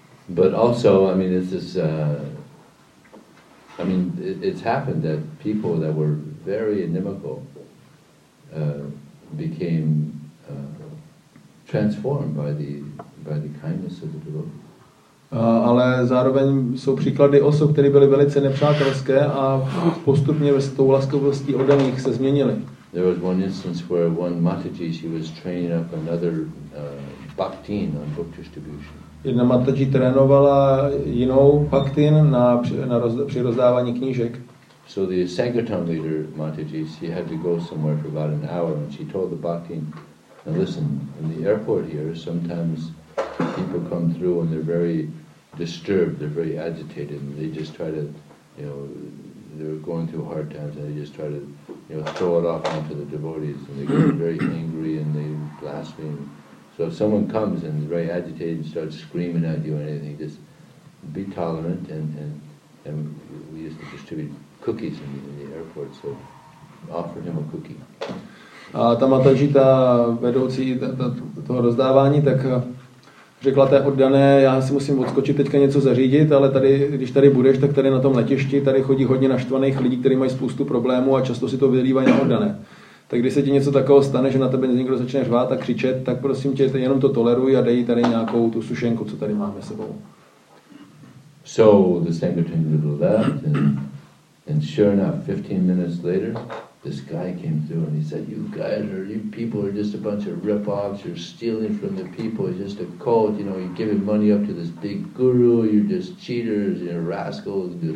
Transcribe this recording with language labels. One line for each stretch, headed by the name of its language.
English: But also, I mean, this is, I mean, it's happened that people that were very inimical became transformed by the kindness of the devotee.
Czech: Ale zároveň jsou příklady osob, které byly velice nepřátelské a postupně ve tou laskavostí od nich se změnily.
English: There was one instance where one Mataji, she was training up another bhaktin on book distribution.
Czech: Jedna Mataji trénovala jinou bhaktin při rozdávání knížek.
English: So the Sangatam leader Mataji, she had to go somewhere for about an hour, and she told the bhaktin, "Now listen, in the airport here, sometimes people come through and they're very disturbed, they're very agitated, and they just try to, you know, they're going through hard times, and they just try to, you know, throw it off onto the devotees, and they get very angry and they blaspheme. So if someone comes and is very agitated and starts screaming at you or anything, just be tolerant." And we used to distribute cookies in the airport, so offer him a cookie.
Czech: A ta Mataji, ta vedoucí toho rozdávání, tak řekla té oddané, já si musím odskočit teďka něco zařídit, ale tady, když tady budeš, tak tady na tom letišti, tady chodí hodně naštvaných lidí, kteří mají spoustu problémů a často si to vylívají na oddané. Tak když se ti něco takového stane, že na tebe někdo začne řvát a křičet, tak prosím tě, jenom to toleruj a dej tady nějakou tu sušenku, co tady máme sebou.
English: So the Sangatam leader left, and sure enough, 15 minutes later, this guy came through and he said, "You guys are, you people are just a bunch of rip-offs, you're stealing from the people, it's just a cult, you know, you're giving money up to this big guru, you're just cheaters, you're rascals."